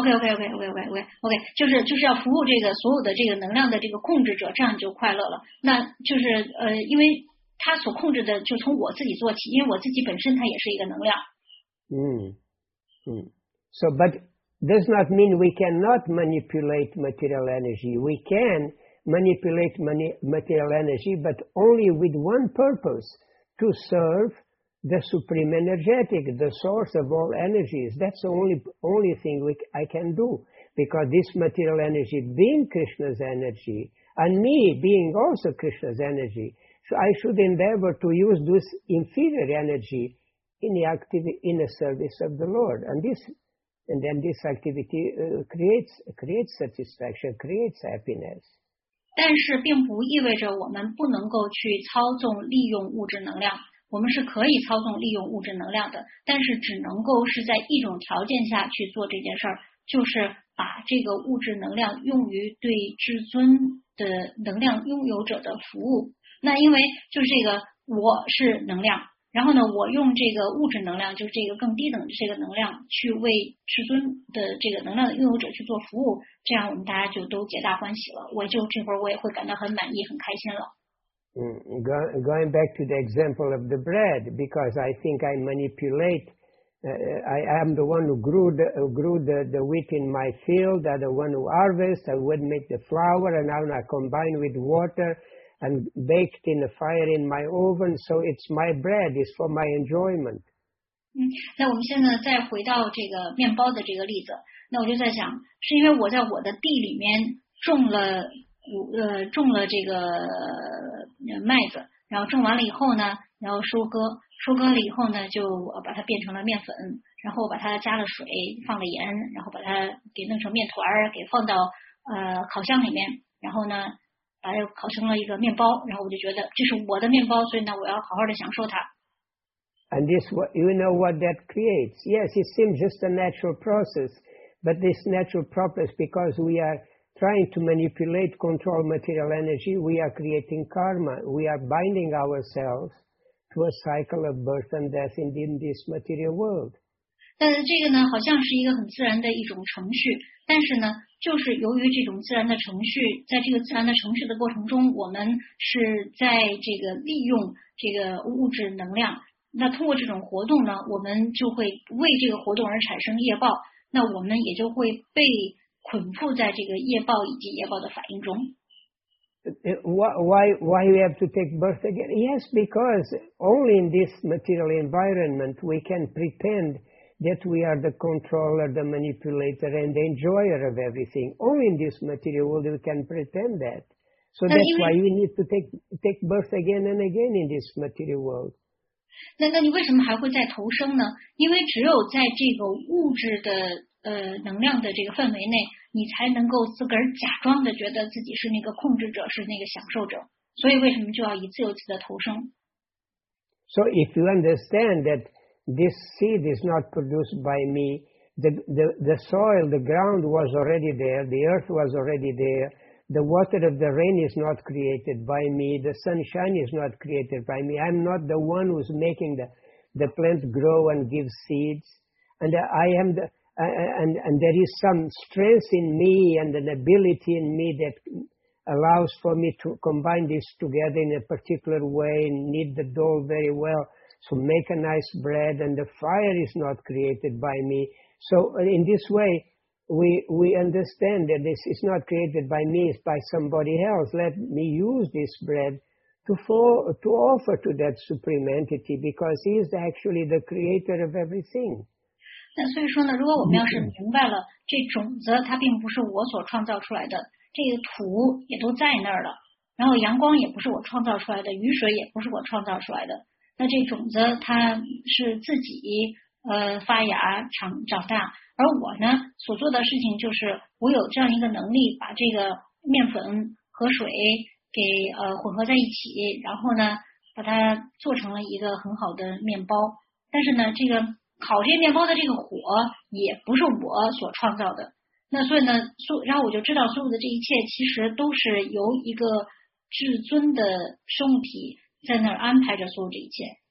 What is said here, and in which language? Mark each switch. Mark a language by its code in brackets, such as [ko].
[zh] OK， 就是要服务这个所有的这个能量的这个控制者，这样就快乐了。那就是因为他所控制的就从我自己做起，因为我自己本身它也是一个能量。 [en] So, but does not mean we cannot manipulate material energy. We can manipulate material energy, but only with one purpose: to serve. The supreme energetic, the source of all energies. That's the only thing I can do. Because this material energy being Krishna's energy, and me being also Krishna's energy, so I should endeavor to use this inferior energy in the service of the Lord. And then this activity creates satisfaction, creates happiness. [zh] 但是并不意味着我们不能够去操纵利用物质能量。我们是可以操纵利用物质能量的，但是只能够是在一种条件下去做这件事儿，就是把这个物质能量用于对至尊的能量拥有者的服务。那因为就是这个我是能量，然后呢，我用这个物质能量，就是这个更低等的这个能量，去为至尊的这个能量的拥有者去做服务，这样我们大家就都皆大欢喜了。我就这会儿我也会感到很满意，很开心了。 [en] Going back to the example of the bread, because I think I manipulate, I am the one who grew the wheat in my field, I'm the one who harvests, I would make the flour, and now I combine with water and baked in a fire in my oven, so it's my bread, it's for my enjoyment. [zh] 那我们现在再回到这个面包的这个例子，那我就在想，是因为我在我的地里面种了这个麦子，然后种完了以后呢，然后收割了以后呢，就把它变成了面粉，然后把它加了水，放了盐，然后把它给弄成面团，给放到烤箱里面，然后呢把它烤成了一个面包，然后我就觉得这是我的面包，所以呢我要好好的享受它。 [en] And this, you know what that creates? Yes, it seems just a natural process, but this natural process, because we are trying to manipulate, control material energy, we are creating karma. We are binding ourselves to a cycle of birth and death in this material world. [zh] 但这个呢，好像是一个很自然的一种程序。但是呢，就是由于这种自然的程序，在这个自然的程序的过程中，我们是在这个利用这个物质能量。那通过这种活动呢，我们就会为这个活动而产生业报。那我们也就会被捆缚在这个业报以及业报的反应中。 [en] Why we have to take birth again? Yes, because only in this material environment we can pretend that we are the controller, the manipulator, and the enjoyer of everything. Only in this material world we can pretend that. So that's why we need to take birth again and again in this material world. [zh] 那你为什么还会再投生呢？因为只有在这个物质的能量的这个氛围内，你才能够自个儿假装的觉得自己是那个控制者，是那个享受者。所以为什么就要一次又一次的投生 [en] ？So if you understand that this seed is not produced by me, the soil, the ground was already there, the earth was already there, the water of the rain is not created by me, the sunshine is not created by me. I'm not the one who's making the plant grow and give seeds, and I am the And there is some strength in me and an ability in me that allows for me to combine this together in a particular way and knead the dough very well, so make a nice bread, and the fire is not created by me. So in this way, we understand that this is not created by me, it's by somebody else. Let me use this bread to offer to that supreme entity, because he is actually the creator of everything. [zh] 那所以说呢，如果我们要是明白了这种子它并不是我所创造出来的，这个土也都在那儿了，然后阳光也不是我创造出来的，雨水也不是我创造出来的，那这种子它是自己发芽长大，而我呢所做的事情就是我有这样一个能力把这个面粉和水给混合在一起，然后呢把它做成了一个很好的面包，但是呢这个烤这面包的这个火也不是我所创造的，那所以呢，然后我就知道所有的这一切其实都是由一个至尊的生物体在那儿安排着所有这一切。